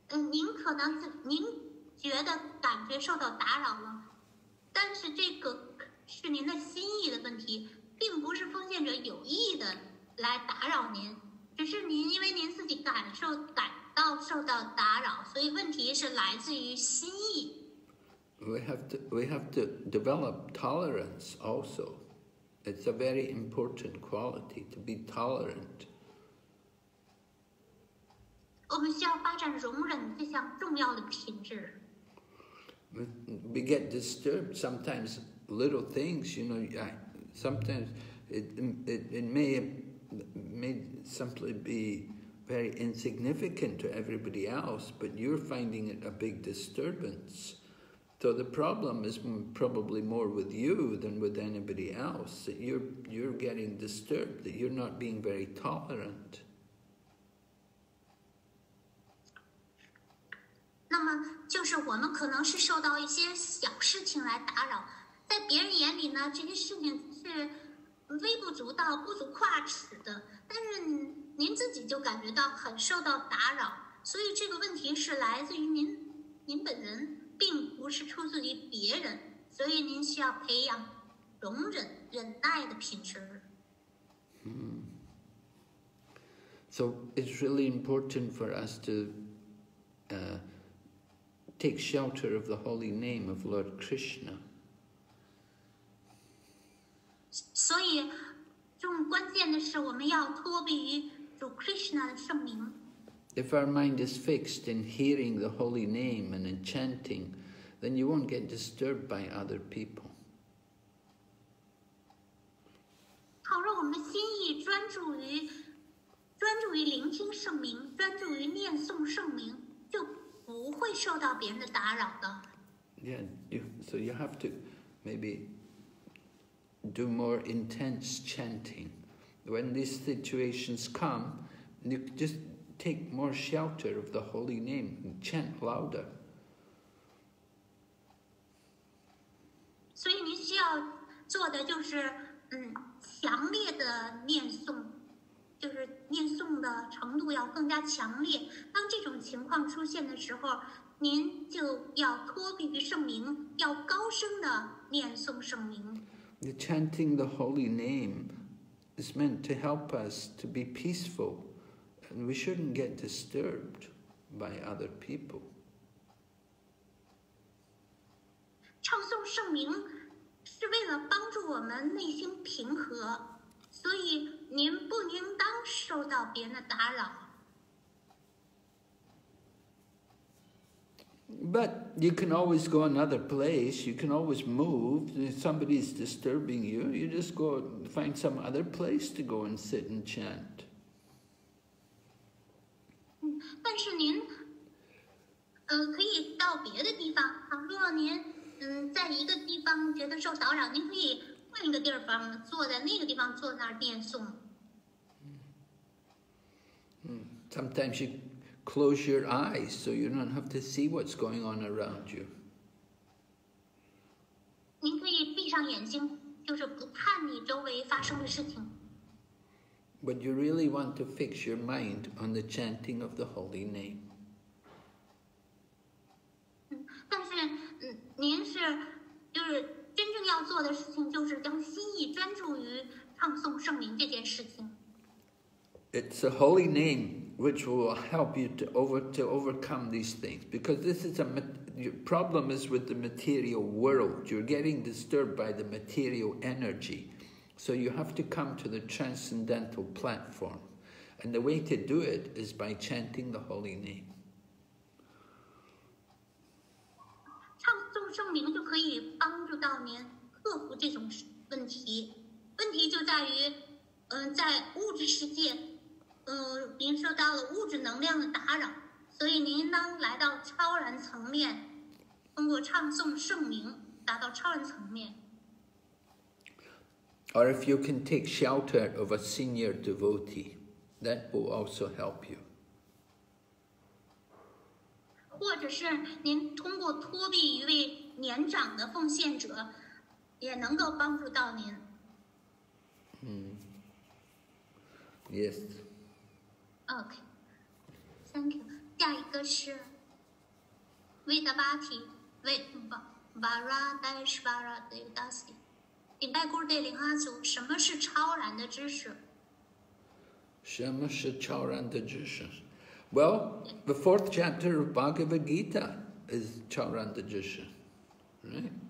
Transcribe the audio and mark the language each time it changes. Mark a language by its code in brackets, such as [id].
[zh] 您可能是您觉得感觉受到打扰了，但是这个是您的心意的问题，并不是奉献者有意的来打扰您，只是您因为您自己感到受到打扰，所以问题是来自于心意。 [en] We have to develop tolerance also. It's a very important quality to be tolerant. [zh] 我们需要发展容忍这项重要的品质。 [en] We get disturbed sometimes. Little things, you know. Sometimes it may simply be very insignificant to everybody else, but you're finding it a big disturbance. So the problem is probably more with you than with anybody else. That you're getting disturbed. That you're not being very tolerant. [zh] 那么就是我们可能是受到一些小事情来打扰，在别人眼里呢，这些事情是微不足道、不足挂齿的。但是您自己就感觉到很受到打扰，所以这个问题是来自于您本人。并不是出自于别人，所以您需要培养容忍、忍耐的品质。 [en] So it's really important for us to take shelter of the holy name of Lord Krishna. [zh] 所以，更关键的是我们要托庇于主 Krishna 的圣名。 [en] If our mind is fixed in hearing the holy name and in chanting, then you won't get disturbed by other people. [zh] 好，让我们的心意专注于聆听圣名，专注于念诵圣名，就不会受到别人的打扰的。 [en] Yeah, so you have to maybe do more intense chanting. When these situations come, you just... Take more shelter of the holy name and chant louder. So, you need to do the just, strongly the [zh] 念诵，就是念诵的程度要更加强烈。当这种情况出现的时候，您就要托庇于圣名，要高声的念诵圣名。 [en] The chanting the holy name is meant to help us to be peaceful. And we shouldn't get disturbed by other people. [zh] 唱诵圣名是为了帮助我们内心平和，所以您不应当受到别人的打扰。 [en] But you can always go another place. You can always move. If somebody is disturbing you, you just go find some other place to go and sit and chant. [zh] 但是您可以到别的地方，倘若您在一个地方觉得受打扰，您可以换一个地方，坐在那个地方，坐那儿念诵。 [en] Sometimes you close your eyes so you don't have to see what's going on around you. [zh] 您可以闭上眼睛，就是不看你周围发生的事情。 [en] But you really want to fix your mind on the chanting of the holy name. [zh] 但是您是就是真正要做的事情就是将心意专注于唱诵圣名这件事情。 [en] It's a holy name which will help you to overcome these things. Because this is your problem is with the material world. You're getting disturbed by the material energy. So you have to come to the transcendental platform. And the way to do it is by chanting the holy name. [zh] 唱诵圣名就可以帮助到您克服这种问题。问题就在于在物质世界您受到了物质能量的打扰。所以您应当来到超然层面，通过唱诵圣名达到超然层面。 [en] Or if you can take shelter of a senior devotee, that will also help you. [zh] 或者是您通过托庇一位年长的奉献者，也能够帮助到您。 [en] Yes. Okay. Thank you. [zh] 下一个是。 [en] Vedavati, Varadashvara Devadasi. [zh] 明白古尔代灵阿祖什么是超然的知识？什么是超然的知识？ [en] Well, the fourth chapter of Bhagavad Gita is [zh] 超然的知识， [en] right?